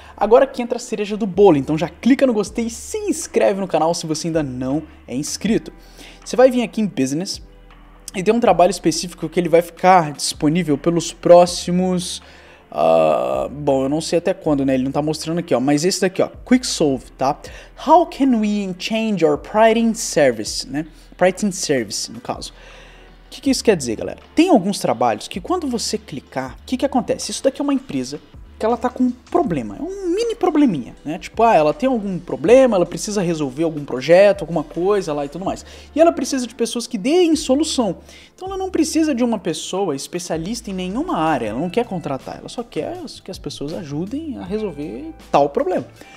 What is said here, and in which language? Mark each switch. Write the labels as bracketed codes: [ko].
[pt] Agora que entra a cereja do bolo, então já clica no gostei e se inscreve no canal se você ainda não é inscrito. Você vai vir aqui em Business e tem um trabalho específico que ele vai ficar disponível pelos próximos... bom, eu não sei até quando, né? Ele não tá mostrando aqui, ó. Mas esse daqui, ó, Quick Solve, tá? [en] How can we change our pricing service, né? [pt] Pricing service, no caso. O que isso quer dizer, galera? Tem alguns trabalhos que quando você clicar, o que acontece? Isso daqui é uma empresa que ela tá com um problema, é um mini probleminha, né? Tipo, ah, ela tem algum problema, ela precisa resolver algum projeto, alguma coisa lá e tudo mais. E ela precisa de pessoas que deem solução. Então ela não precisa de uma pessoa especialista em nenhuma área, ela não quer contratar, ela só quer que as pessoas ajudem a resolver tal problema.